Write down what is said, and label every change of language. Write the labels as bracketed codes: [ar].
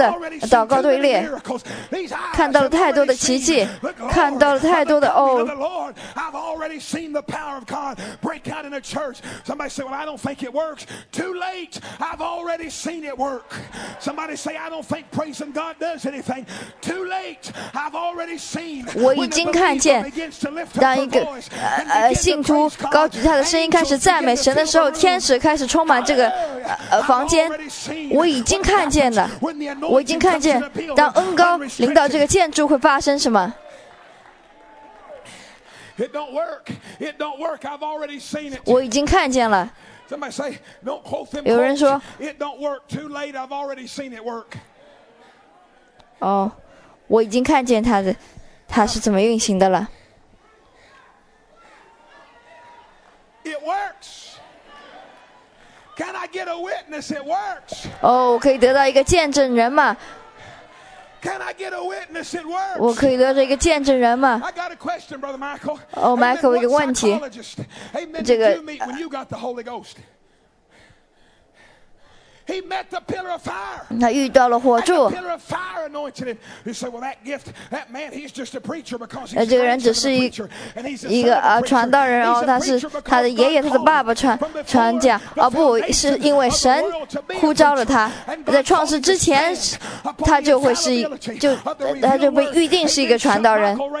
[en] These eyes have already seen too many miracles. These eyes have already seen the glory of the Lord. Look, look, look, the Lord. I've already seen the power of God break out in a church. Somebody say, well, I don't think it works. Too late. I've already seen it work. Somebody say, I don't think praising God does anything. Too late. I've already seen. When a believer begins to lift up her voice and begin to [zh] 高举他的声音开始赞美神的时候，天使开始充满这个房间。我已经看见了，我已经看见当恩膏临到这个建筑会发生什么。 [en] It don't work. It don't work. I've already seen it. [zh] 我已经看见了。 [en] Somebody say, don't quote them. [zh] 有人说 [en] It don't work. Too late. I've already seen it work. [zh] 哦，我已经看见他是怎么运行的了。 [en] It works. Can I get a witness? It works. [zh] Oh, 可以得到一个见证人吗？ [en] Can I get a witness? It works. [zh] 我可以得到一个见证人吗？ [en] I got a question, Brother Michael. [zh] Oh, Michael, 一个问题。 [en] Amen. Do you meet when you got the Holy Ghost? He met the pillar of fire. [zh] 他遇到了火柱。 [en] The pillar of fire anointed him. He said, "Well, that gift, that man, he's just a preacher because he's a preacher." [zh] 这个人只是一个传道人，然后他是他的爷爷、他的爸爸传讲，而不是因为神呼召了他。在创世之前，他就会是他就被预定是一个传道人。